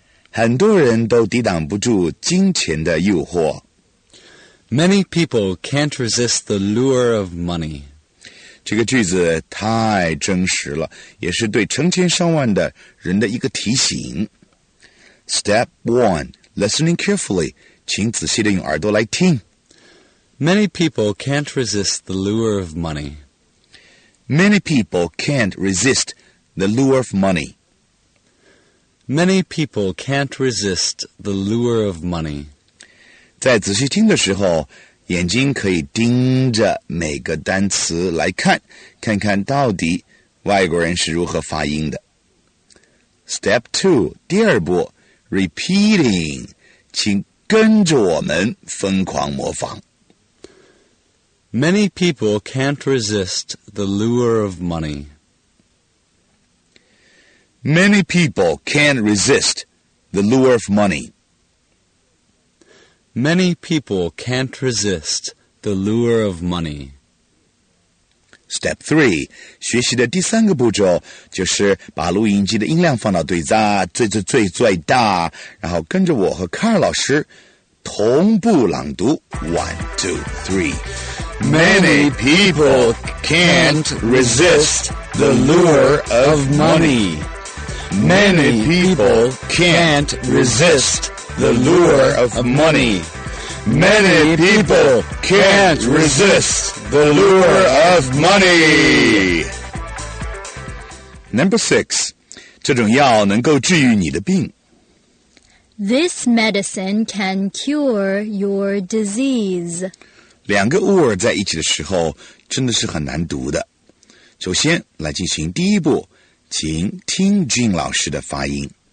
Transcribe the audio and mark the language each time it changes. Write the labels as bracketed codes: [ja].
[zh] 很多人都抵挡不住金钱的诱惑。 [en] Many people can't resist the lure of money. [zh] 这个句子太真实了，也是对成千上万的人的一个提醒。 [en] Step 1. Listening carefully. [zh] 请仔细地用耳朵来听。 [en] Many people can't resist the lure of money. Many people can't resist the lure of money. Many people can't resist the lure of money. [zh] 在仔细听的时候，眼睛可以盯着每个单词来看，看看到底外国人是如何发音的。 [en] Step 2, [zh] 第二步 , [en] repeating, [zh] 请跟着我们疯狂模仿。 [en] Many people can't resist the lure of money. Many people can't resist the lure of money. Many people can't resist the lure of money. Step 3, [zh] 学习的第三个步骤就是把录音机的音量放到最大，最最最最大，然后跟着我和卡尔老师同步朗读。 [en] One, two, three. Many people can't resist the lure of money. Many people can't resist the lure of money. Many people can't resist the lure of money. Number 6. [zh] 这种药能够治愈你的病。 [en] This medicine can cure your disease. [zh] 两个 or 在一起的时候真的是很难读的。首先来进行第一步，请听 Jean 老师的发音。